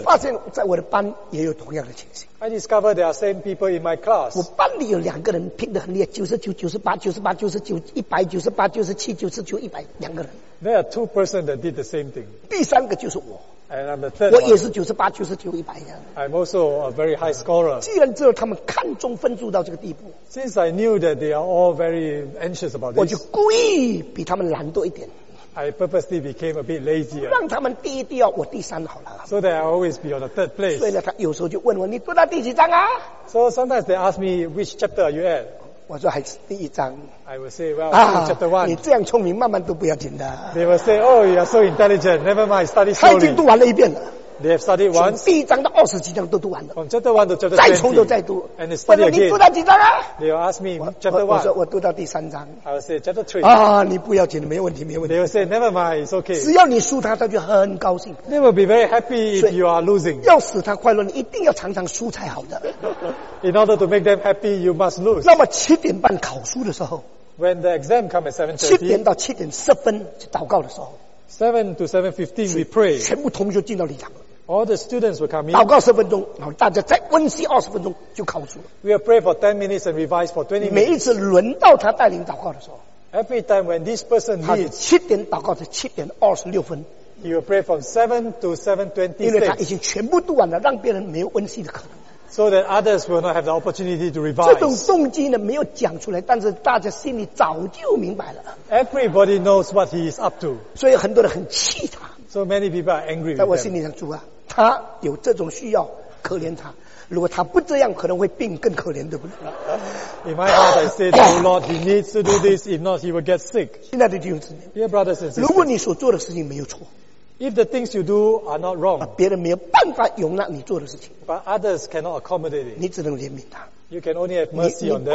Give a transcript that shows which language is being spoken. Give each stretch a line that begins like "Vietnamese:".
Chinese: 我发现在我的班也有同样的情形。
English: I discover there are same people in my class.
Chinese: 我班里有两个人拼得很厉害，99, 98, 99, 100, 98, 99, 97, 99, 100, 两个人。
English: There are two persons that did the same thing.
Chinese: 第三个就是我。
English: And I'm the third.
Chinese: 我也是九十八、九十九、一百呀。
English: I'm also a very high scorer.
Chinese: 既然知道他们看重分数到这个地步
English: ，Since I knew that they are all very anxious about this,
Chinese: 我就故意比他们懒惰一点。
English: I purposely became a bit lazier.
Chinese: 让他们第一、第二，我第三好了。
English: So that I always be on the third place.
Chinese: 所以呢，他有时候就问我，你读到第几章啊
English: ？So sometimes they ask me which chapter are you at.
Chinese: 我说还是第一章。
English: I will say, well,、ah, chapter one.
Chinese: 你这样聪明，慢慢读不要紧的。
English: They will say, oh, you are so intelligent. Never mind, study slowly.
Chinese: 他已经读完了一遍了。
English: They have studied once.
Chinese: 从第一章到二十几章都读完了。
English: From chapter one to chapter 20.
Chinese: 再从头再读。
English: And they study again.
Chinese: 你读到几章啊
English: ？They will ask me chapter one.
Chinese: 我说我读到第三章。
English: I will say chapter three.
Chinese: 啊，你不要紧，没问题，没问题。
English: They will say never mind, it's okay.
Chinese: 只要你输他，他就很高兴。
English: They will be very happy if you are losing.
Chinese: 要使他快乐，你一定要常常输才好的。
English: In order to make them happy, you must lose.
Chinese: 那么七点半考书的时候
English: ，When the exam comes at 7:30,
Chinese: 七点到七点十分就祷告的时候
English: 7 to 7:15, we pray.
Chinese: 全部同学进到礼堂。
English: All the students will come in.
Chinese: 祷告十分钟，然后大家再温习二十分钟就考书了。
English: We will pray for 10 minutes and revise for 20 minutes.
Chinese: 每一次轮到他带领祷告的时候
English: ，Every time when this person leads,
Chinese: 他七点祷告是七点二十六分。
English: He will pray from 7 to 7:26.
Chinese: 因为他已经全部读完了，让别人没有温习的可能。
English: So that others will not have the opportunity to revise.
Chinese: 这种动机呢没有讲出来，但是大家心里早就明白了。
English: Everybody knows what he is up to.
Chinese: 所以很多人很气他。
English: So many people are angry.
Chinese: 在我心里想，主啊，他有这种需要，可怜他。如果他不这样，可能会病更可怜，对不对
English: ？In my heart, I say, Oh Lord, he needs to do this. If not, he will get sick.
Chinese: 亲爱的弟兄姊妹
English: ，Dear brothers and sisters,
Chinese: 如果你所做的事情没有错。
English: If the things you do are not wrong,
Chinese: 别人没有办法容纳你做的事情。
English: But others cannot accommodate it.
Chinese: 你只能怜悯他。
English: You can only have mercy on them.